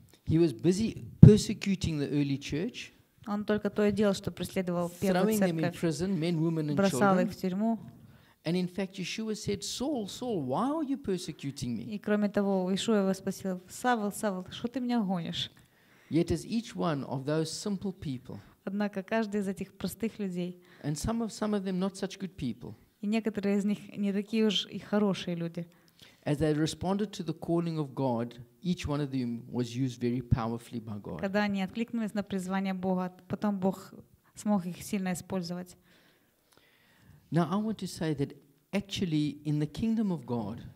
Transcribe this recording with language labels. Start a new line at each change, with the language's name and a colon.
English: He was busy persecuting the early church.
Russian: Он только то и делал, что преследовал первую церковь.
English: Throwing them in prison, men, women, and children.
Russian: Бросал их в тюрьму.
English: And in fact, Yeshua said, "Saul, Saul, why are you persecuting me?"
Russian: И кроме того, Иешуа его спросил: "Савл, Савл, что ты меня гонишь?"
English: Yet as each one of those simple people.
Russian: Однако каждый из этих простых людей.
English: And some of them not such good people.
Russian: И некоторые из них не такие уж и хорошие люди.
English: As they responded to the calling of God, each one of them was used very powerfully by God.
Russian: Когда они откликнулись на призвание Бога, потом Бог смог их сильно использовать.
English: Now I want to say that actually in the kingdom of God.